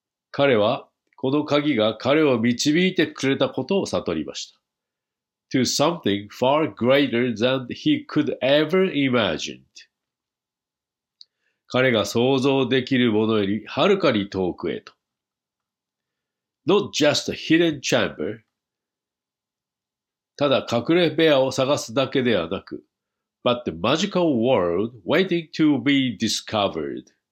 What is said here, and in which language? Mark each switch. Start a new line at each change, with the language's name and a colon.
Japanese: 彼は、この鍵が彼を導いてくれたことを悟りました。
English: To something far greater than he could ever imagined.
Japanese: 彼が想像できるものよりはるかに遠くへと。
English: Not just a hidden chamber.
Japanese: ただ隠れ部屋を探すだけではなく、
English: But the magical world waiting to be discovered.